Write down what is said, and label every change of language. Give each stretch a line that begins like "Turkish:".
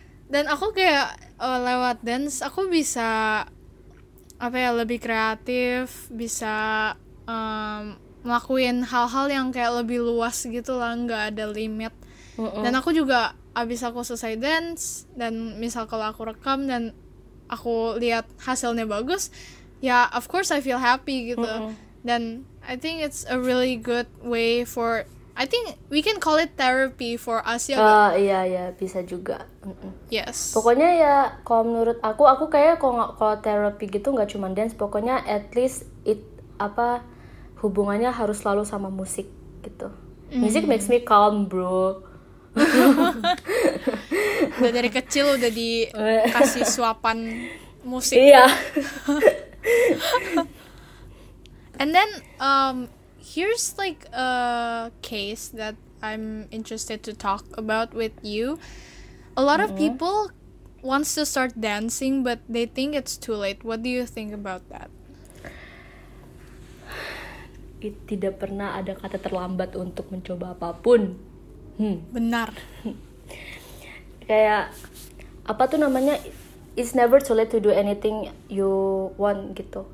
Indonesian: Dan aku kayak lewat dance aku bisa apa ya, lebih kreatif, bisa ngelakuin hal-hal yang kayak lebih luas gitu lah, gak ada limit. Dan aku juga abis aku selesai dance, dan misal kalau aku rekam dan aku lihat hasilnya bagus, ya
English: of course I feel happy
Indonesian: gitu.
English: Dan I think it's a really good way for, I think we can call it therapy for us, ya.
Indonesian: Iya, bisa juga.
English: Yes.
Indonesian: Pokoknya ya, kalau menurut aku kayak kalau therapy gitu nggak cuma dance, pokoknya
English: at least it
Indonesian: apa hubungannya harus selalu sama musik gitu.
English: Music makes me calm, bro.
Indonesian: Udah dari kecil udah dikasih suapan musik. Iya.
English: And then here's like a case that I'm interested to talk about with you. A lot of people wants to start dancing but they think it's too late. What do you think about that?
Indonesian: It tidak pernah ada kata terlambat untuk mencoba apapun. Benar. Kayak apa tuh namanya,
English: it's never too late to do anything you want gitu.